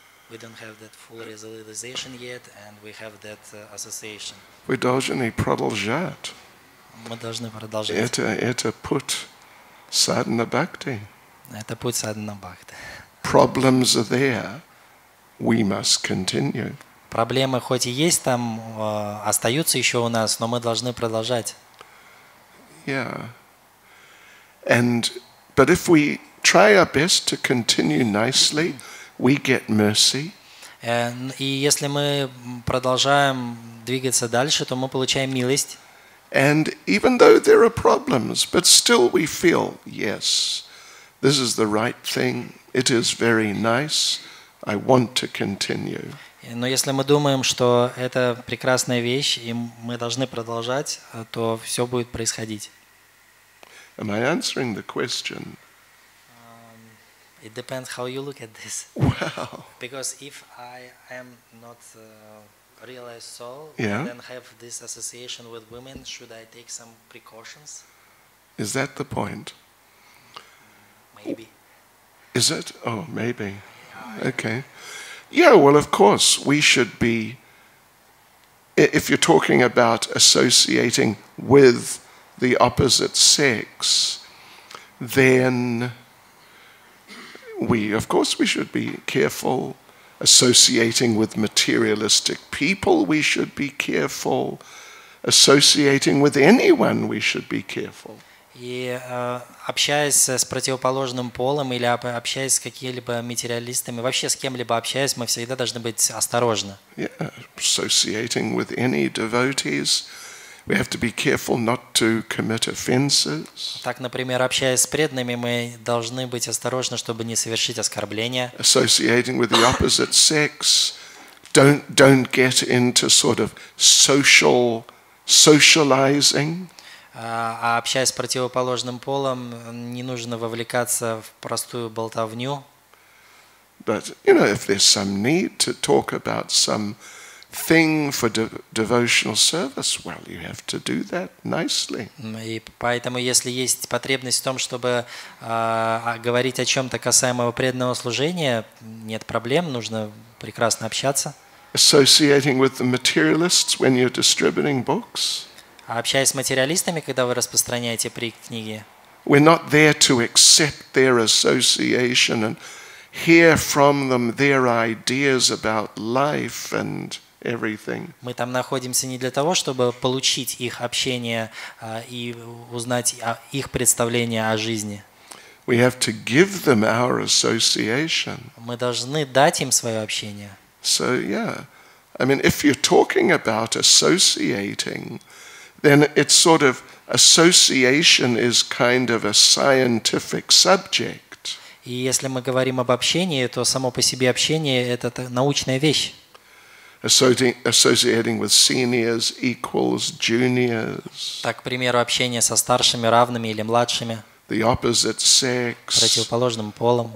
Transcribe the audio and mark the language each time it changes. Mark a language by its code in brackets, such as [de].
[en] We don't have that full realization yet, and we have that association. We [ru] должны продолжать. Мы должны продолжать. Это путь садхана бхакти. Это путь садхана бхакти. [en] Problems are there. We must continue. [ru] Проблемы хоть и есть там, остаются еще у нас, но мы должны продолжать. [en] Yeah. But if we try our best to continue nicely, we get mercy. [ru] И если мы продолжаем двигаться дальше, то мы получаем милость. [en] And even though there are problems, but still we feel, yes, this is the right thing. It is very nice. I want to continue. [ru] Но если мы думаем, что это прекрасная вещь, и мы должны продолжать, то все будет происходить. [en] Am I answering the question? It depends how you look at this. Wow. Because if I am not realized soul, yeah, and have this association with women, should I take some precautions? Is that the point? Maybe. Is it? Oh, maybe. Yeah. Okay. Yeah, well, of course, we should be, if you're talking about associating with the opposite sex, then we should be careful. Associating with materialistic people, we should be careful. Associating with anyone, we should be careful. [ru] И общаясь с противоположным полом или общаясь с какими-либо материалистами, вообще с кем-либо общаясь, мы всегда должны быть осторожны. [en] Yeah, associating with any devotees, we have to be careful not to commit offenses. [ru] Так, например, общаясь с преданными, мы должны быть осторожны, чтобы не совершить оскорбления. [en] Associating with the opposite sex, don't get into sort of socializing. [ru] А общаясь с противоположным полом, не нужно вовлекаться в простую болтовню. [en] But you know, if there's some need to talk about some thing for devotional service, well, you have to do that nicely. [ru] И поэтому, если есть потребность в том, чтобы говорить о чем-то касаемого преданного служения, нет проблем, нужно прекрасно общаться. [en] Associating with the materialists when you're distributing books. [ru] А общаясь с материалистами, когда вы распространяете книги. [en] We're not there to accept their association and hear from them their ideas about life and everything. [ru] Мы там находимся не для того, чтобы получить их общение и узнать их представление о жизни. [en] We have to give them our association. [ru] Мы должны дать им свое общение. [en] So yeah, I mean, if you're talking about associating, then it's sort of association is kind of a scientific subject. [ru] И если мы говорим об общении, то само по себе общение – это научная вещь. [en] Associating with seniors, equals, juniors. [ru] Так, к примеру, общение со старшими, равными или младшими. [en] The opposite sex. [ru] Противоположным полом.